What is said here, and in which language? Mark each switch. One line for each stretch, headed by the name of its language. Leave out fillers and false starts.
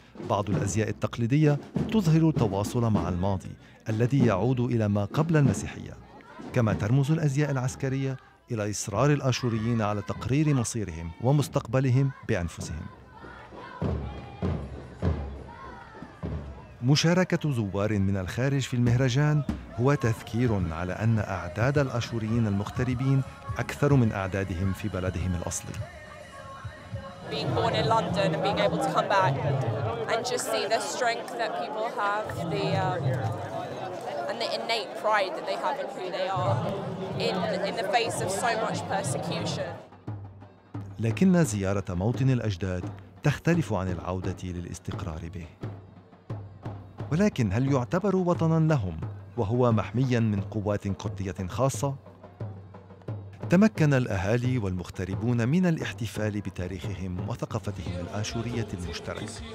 Arabic: بعض الأزياء التقليدية تظهر التواصل مع الماضي الذي يعود إلى ما قبل المسيحية، كما ترمز الأزياء العسكرية إلى إصرار الآشوريين على تقرير مصيرهم ومستقبلهم بأنفسهم. مشاركة زوار من الخارج في المهرجان هو تذكير على أن أعداد الآشوريين المغتربين أكثر من أعدادهم في بلدهم الأصلي.
English: Being born in London and being able to come back and just see the strength that people have, the and the innate pride that they have in who they are in the face of so much persecution.
Arabic: لكن زيارة موطن الأجداد تختلف عن العودة للاستقرار به. ولكن هل يعتبر وطناً لهم وهو محمياً من قوات كردية خاصة؟ تمكن الأهالي والمغتربون من الاحتفال بتاريخهم وثقافتهم الآشورية المشتركة.